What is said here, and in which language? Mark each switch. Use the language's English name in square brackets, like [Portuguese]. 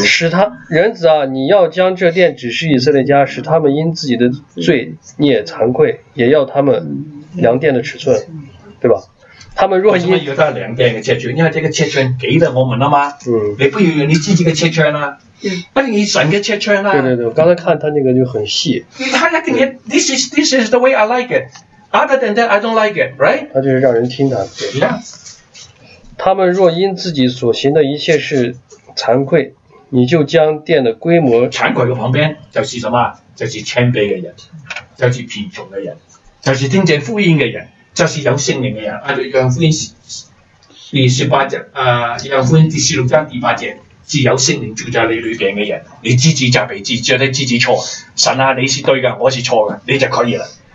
[Chinese] 使他人子啊，你要将这殿指示以色列家，使他们因自己的罪孽惭愧，也要他们量殿的尺寸，对吧？他们若因为什么有到量殿的尺寸，你看这个尺寸给了我们了吗？嗯。你不要用你自己的尺寸啦，不是你神的尺寸啦。对对对，我刚才看他那个就很细。他那个 [English] this is the way I like it. Other than that, I don't like it, right? [Chinese] 他就是让人听他。对。 [English] Yeah. [Chinese] 他们若因自己所行的一切事惭愧，你就将殿的规模惭愧的旁边就是什么？就是谦卑的人，就是贫穷的人，就是听见福音的人，就是有圣灵的人。按照约翰福音第十八章，约翰福音第十六章第八节，是有圣灵住在你里边的人，你自己责备自己，觉得自己错，神啊，你是对的，我是错的，你就可以了。